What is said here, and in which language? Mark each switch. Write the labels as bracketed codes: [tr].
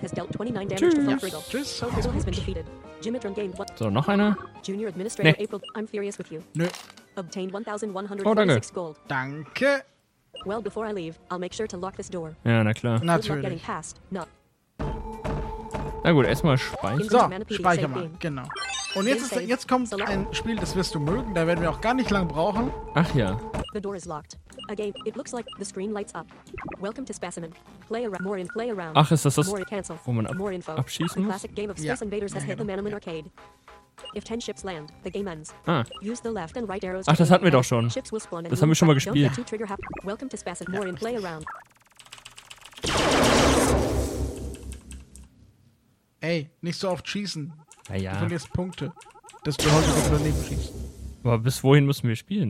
[en] has dealt 29 damage to Friggle. [de] So, noch einer? [en] Junior Administrator April, I'm furious with you. [de] Nö. [en] Obtained 1,136 gold. [de] Danke. [en] Well, before I leave, I'll make sure to lock this door. [de] Ja, na klar. Natürlich. Na gut, erstmal speichern. So, speichern mal. Genau. Und jetzt kommt ein Spiel, das wirst du mögen, da werden wir auch gar nicht lang brauchen. Ach ja. [en] The door is locked. Again, it looks like the screen lights up. Welcome to Specimen. Play around. More in, play around. [de] Ach, ist das das, wo man abschießen muss? [en] Classic game of Space Invaders has hit the Manamun Arcade. If 10 ships land, the game ends. Ah. Use the left and right arrows. [de] Ach, das hatten wir doch schon. Das haben wir schon mal gespielt. [en] Welcome to Specimen. More in, play around. [de] Ey, nicht so oft schießen. Naja. Du verlierst Punkte. Dass du heute wieder daneben schießt. Aber bis wohin müssen wir spielen?